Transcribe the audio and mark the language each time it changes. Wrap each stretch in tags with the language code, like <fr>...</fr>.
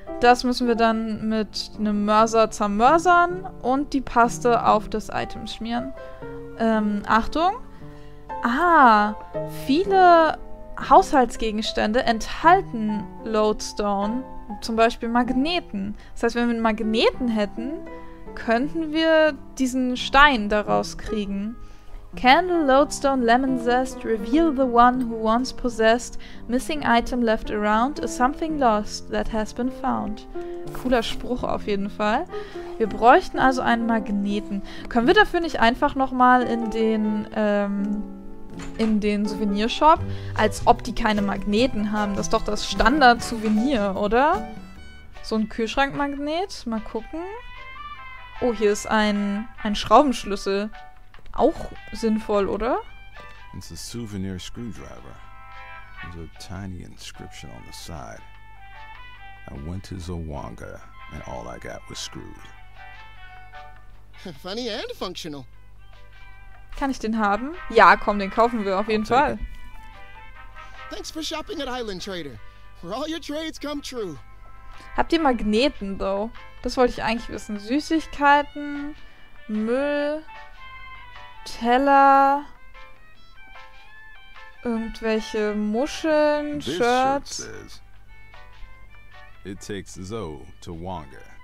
<de>Das müssen wir dann mit einem Mörser zermörsern und die Paste auf das Item schmieren. Achtung! Ah, viele Haushaltsgegenstände enthalten Lodestone. Zum Beispiel Magneten. Das heißt, wenn wir einen Magneten hätten, könnten wir diesen Stein daraus kriegen.</de> <en>Candle, Lodestone, Lemon Zest, reveal the one who once possessed, missing item left around, is something lost that has been found.</en> <de>Cooler Spruch auf jeden Fall. Wir bräuchten also einen Magneten. Können wir dafür nicht einfach nochmal in den Souvenirshop, als ob die keine Magneten haben. Das ist doch das Standard-Souvenir, oder? So ein Kühlschrankmagnet. Mal gucken. Oh, hier ist ein Schraubenschlüssel. Auch sinnvoll, oder?</de> <en>It's a souvenir screwdriver. There's a tiny inscription on the side. I went to Zawanga and all I got was screwed. Funny and functional.</en> <de>Kann ich den haben? Ja, komm, den kaufen wir auf jeden Fall.</de> <en>Thanks for shopping at Island Trader, where all your trades come true.</en> <de>Habt ihr Magneten, though? Das wollte ich eigentlich wissen. Süßigkeiten, Müll, Teller, irgendwelche Muscheln, Shirts.</de> <en>It takes Zo to Wanga.</en>